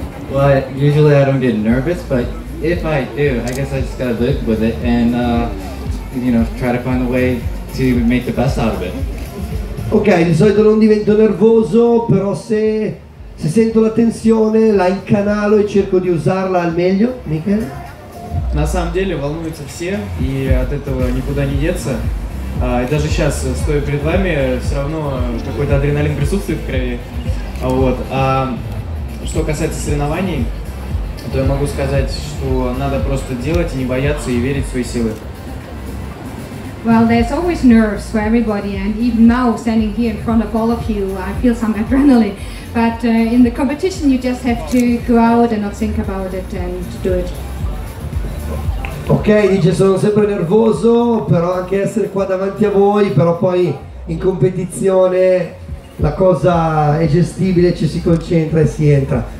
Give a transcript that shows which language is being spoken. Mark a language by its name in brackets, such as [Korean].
[English] Well, usually I don't get nervous, but if I do, I guess I just gotta live with it and try to find a way to make the best out of it. [Italian] Ok, di solito non divento nervoso, però se sento la tensione la incanalo e cerco di usarla al meglio. Michele? [Russian] На самом деле волнуются все и от этого никуда не деться. И даже сейчас стою перед вами, все равно какой-то адреналин присутствует в крови. Вот. Что касается соревнований, то я могу сказать, что надо просто делать и не бояться и верить в свои силы. [English] Well, there's always nerves for everybody, and even now standing here in front of all of you, I feel some adrenaline. But in the competition, you just have to go out and not think about it and to do it. [Italian] Ok, dice, sono sempre nervoso, però anche essere qua davanti a voi, però poi in competizione la cosa è gestibile, ci si concentra e si entra.